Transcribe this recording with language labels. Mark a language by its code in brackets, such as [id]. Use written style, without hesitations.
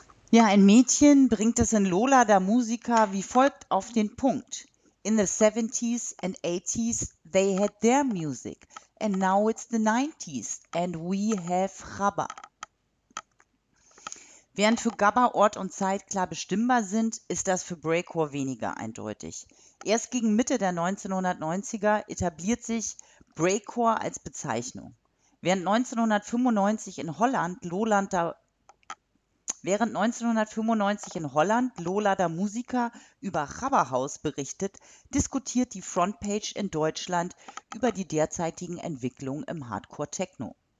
[de] Ja, ein Mädchen bringt es in Lola da Musica wie folgt auf den Punkt. [en] In the 70s and 80s they had their music and now it's the 90s and we have Chabad. [de] Während für Gabba Ort und Zeit klar bestimmbar sind, ist das für Breakcore weniger eindeutig. Erst gegen Mitte der 1990er etabliert sich Breakcore als Bezeichnung. Während 1995 in Holland Lola da Musica über Chabad House berichtet, diskutiert die Frontpage in Deutschland über die derzeitigen Entwicklungen im Hardcore-Techno.